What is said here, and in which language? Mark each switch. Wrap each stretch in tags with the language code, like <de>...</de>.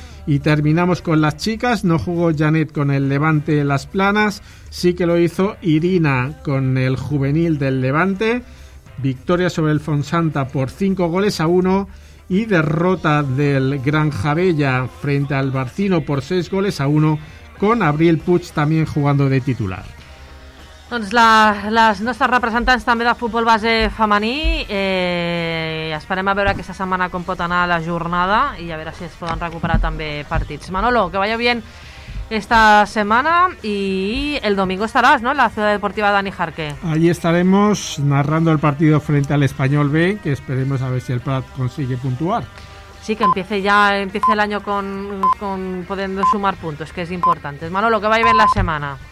<es>Y terminamos con las chicas. No jugó Janet con el Levante Las Planas, sí que lo hizo Irina con el juvenil del Levante, victoria sobre el Fonsanta por 5-1 y derrota del Granja Bella frente al Barcino por 6-1 con Abril Puig también jugando de titular.</es> <ca>Doncs les nostres representants també de futbol base femení, esperem a veure aquesta setmana com pot anar la jornada i a veure si es poden recuperar també partits.</ca> <es>Manolo, que vaya bien esta semana y el domingo estarás, ¿no?, en la Ciudad Deportiva Dani Jarque. Allí estaremos narrando el partido frente al Español B, que esperemos a ver si el Prat consigue puntuar. Sí, que empiece el año con podiendo sumar puntos, que es importante. Manolo, que vaya bien la semana.</es>